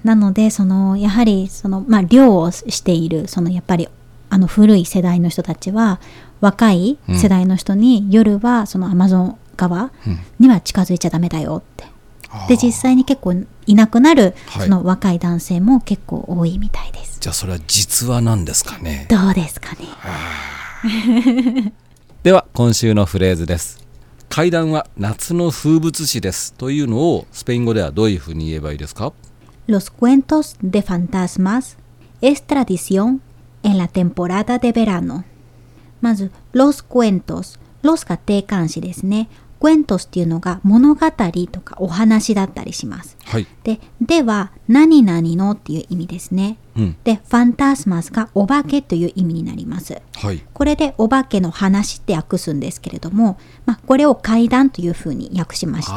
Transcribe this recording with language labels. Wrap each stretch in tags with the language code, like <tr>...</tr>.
<ja>なのでそのやはりその、漁をしている、そのやっぱりあの古い世代の人たちは、若い世代の人に、夜はそのアマゾン川には近づいちゃダメだよって、で実際に結構いなくなるその若い男性も結構多いみたいです。はい、じゃあそれは実話なんですかね。どうですかね。では今週のフレーズです。怪談は夏の風物詩ですというのをスペイン語ではどういうふうに言えばいいですか？</ja> <es>Los cuentos de fantasmas es tradición en la temporada de verano。</es> <ja>まず Los cuentos、 Los が定冠詞ですね。 Cuentos っていうのが物語とかお話だったりします。はい、では何々のっていう意味ですね。うん、で Fantasmas がお化けという意味になります。はい、これでお化けの話って訳すんですけれども、これを怪談というふうに訳しました。</ja>